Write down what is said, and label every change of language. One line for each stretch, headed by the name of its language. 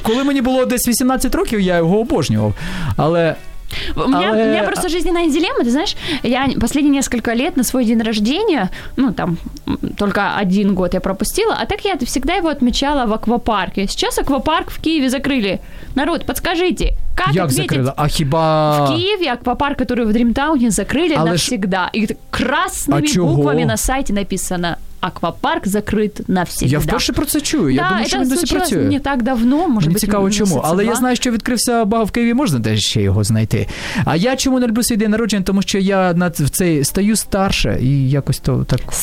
Ukrainian: Коли мені було десь 18 років, я його обожнював. Але...
Russian: У меня просто жизненная дилемма, ты знаешь, я последние несколько лет на свой день рождения, ну, там, только один год я пропустила, а так я всегда его отмечала в аквапарке. Сейчас аквапарк в Киеве закрыли. Народ, подскажите, как отметить? Як закрыли? А хіба... В Киеве аквапарк, который в Дрімтауні, закрыли навсегда. И красными буквами на сайте написано. Аквапарк закрыт навсегда.
Ukrainian: Я вперше про це чую. Я думаю, що він досі працює. Не так давно, може бути. Цікаво, чому. Але я знаю, що відкрився багато в Києві, можна десь ще його знайти. А я чому не люблю свій день народження? Тому що я в цей стаю старше і якось то так.